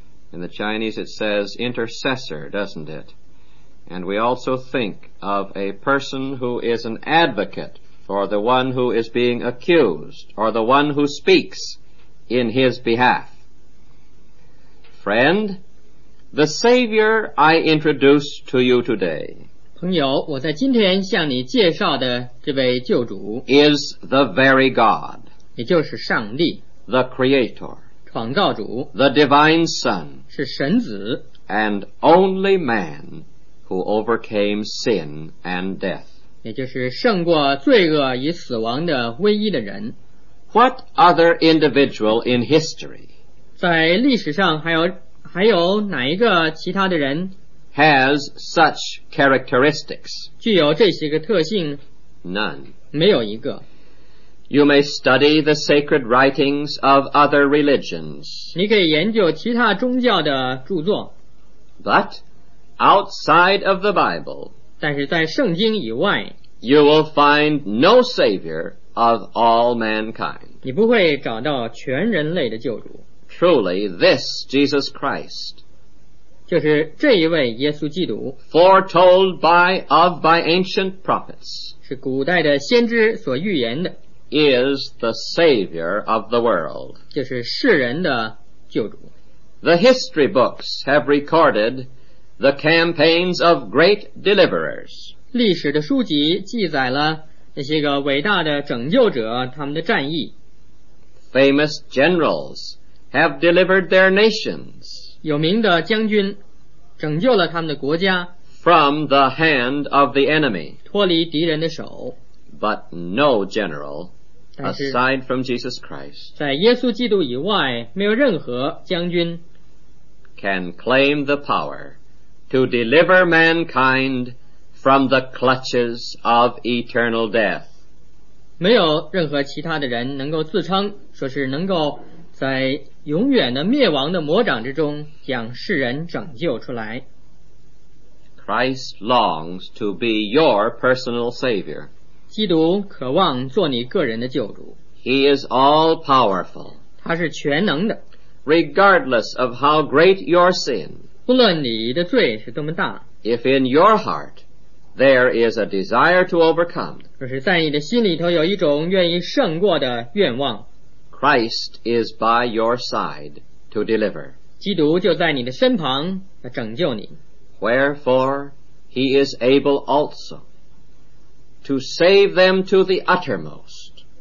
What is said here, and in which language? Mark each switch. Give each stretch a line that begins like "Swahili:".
English: In the Chinese it says intercessor, doesn't it? And we also think of a person who is an advocate,or the one who is being accused, or the one who speaks in his behalf. Friend, the Savior I introduce to you today,
Chinese: 朋友，我在今天向你介绍的这位救主
English: is the very God,
Chinese: 也就是上帝
English: the Creator,
Chinese: 创造主
English: the Divine Son,
Chinese: 是神子
English: and only man who overcame sin and death.
Chinese: 也就是胜过罪恶与死亡的唯一的人。
English: What other individual in history
Chinese: 在历史上还有哪一个其他的人
English: has such characteristics
Chinese: 具有这些个特性？
English: None
Chinese: 没有一个。
English: You may study the sacred writings of other religions
Chinese: 你可以研究其他宗教的著作。
English: But outside of the Bible
Chinese: 但是在圣经以外
English: You will find no savior of all mankind
Chinese: 你不会找到全人类的救主。
English: Truly this Jesus Christ
Chinese: 就是这一位耶稣基督
English: Foretold by ancient prophets
Chinese: 是古代的先知所预言的
English: Is the savior of the world
Chinese: 就是世人的救主。
English: The history books have recordedThe campaigns of great deliverers.
Chinese: 历史的书籍记载了那些个伟大的拯救者他们的战役。
English: Famous generals have delivered their nations.
Chinese: 有名的将军拯救了他们的国家。
English: From the hand of the enemy.
Chinese: 脱离敌人的手。
English: But no general, aside from Jesus Christ,
Chinese: 在耶稣基督以外没有任何将军
English: can claim the power. To deliver mankind from the clutches of eternal death.
Chinese: 没有任何其他的人能够自称说是能够在永远的灭亡的魔掌之中将世人拯救出来。
English: Christ longs to be your personal savior.
Chinese: 基督渴望做你个人的救主。
English: He is all powerful.
Chinese: 他是全能的。
English: Regardless of how great your sin,
Chinese: 不论你的罪是多么大
English: If in your heart there is a desire to overcome
Chinese: 若是在你的心里头有一种愿意胜过的愿望
English: Christ is by your side to deliver
Chinese: 基督就在你的身旁要拯救你
English: Wherefore he is able also to save them to the uttermost